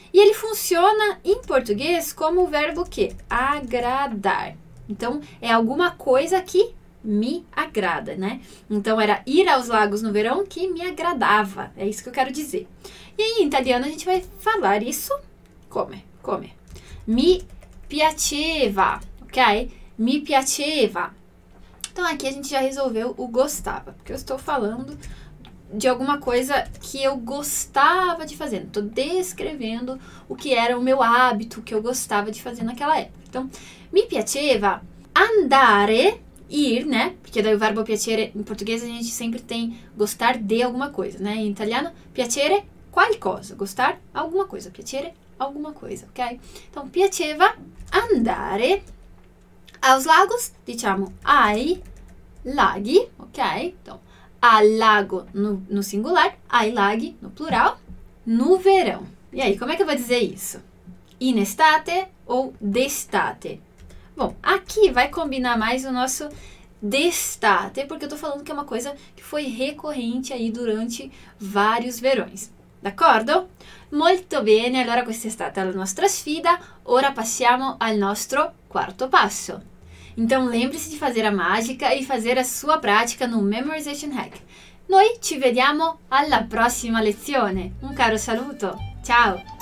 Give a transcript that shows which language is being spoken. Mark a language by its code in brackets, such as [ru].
[pt] E ele funciona em português como o verbo que? Agradar. Então, é alguma coisa que me agrada, né? Então, era ir aos lagos no verão que me agradava. É isso que eu quero dizer. E aí, em italiano, a gente vai falar isso como? Como? [it] Mi piaceva, ok? Mi piaceva. [pt] Então aqui a gente já resolveu o gostava, porque eu estou falando de alguma coisa que eu gostava de fazer. Estou descrevendo o que era o meu hábito, o que eu gostava de fazer naquela época. Então, mi piaceva andare, ir, né? Porque daí o verbo piacere, em português a gente sempre tem gostar de alguma coisa, né? Em italiano, [it] piacere qualcosa, [pt] gostar alguma coisa, piacere alguma coisa, ok? Então, piaceva andare aos lagos, [it] diciamo ai laghi, [pt] ok? Então, al lago no singular, ai laghi no plural, no verão. E aí, como é que eu vou dizer isso? In estate ou d'estate? Bom, aqui vai combinar mais o nosso d'estate, porque eu tô falando que é uma coisa que foi recorrente aí durante vários verões. [it] D'accordo? [pt] Molto bene, allora questa è stata la nostra sfida. Ora passiamo al nostro quarto passo. Então lembre-se [it] di fare la magica e fare la sua pratica no Memorization Hack. Noi ci vediamo alla prossima lezione. Un caro saluto. Ciao!